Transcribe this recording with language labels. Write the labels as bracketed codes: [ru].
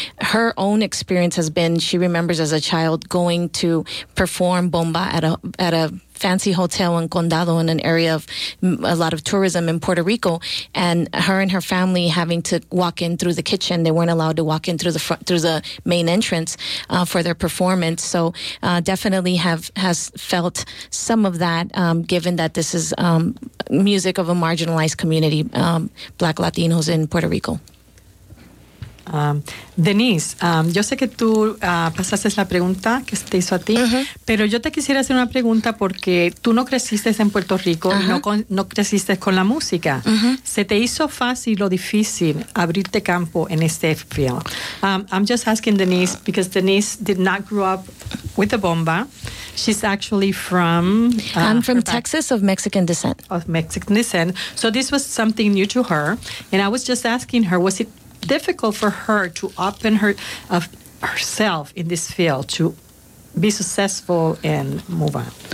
[en] Her own experience has been, she remembers as a child going to perform bomba at a fancy hotel in Condado, in an area of a lot of tourism in Puerto Rico, and her family having to walk in through the kitchen. They weren't allowed to walk in through the front, through the main entrance for their performance. So definitely has felt some of that, given that this is music of a marginalized community, Black Latinos in Puerto Rico. [es] Denise, yo sé que tú pasaste la pregunta que te hizo a ti, pero yo te quisiera hacer una pregunta porque tú no creciste en Puerto Rico, no creciste con la música. ¿Se te hizo fácil o difícil abrirte campo en este field? [en] I'm just asking Denise because Denise did not grow up with the bomba. She's actually from... I'm from Texas, of Mexican descent. Of Mexican descent. So this was something new to her. And I was just asking her, was it difficult for her to open herself in this field to be successful and move on?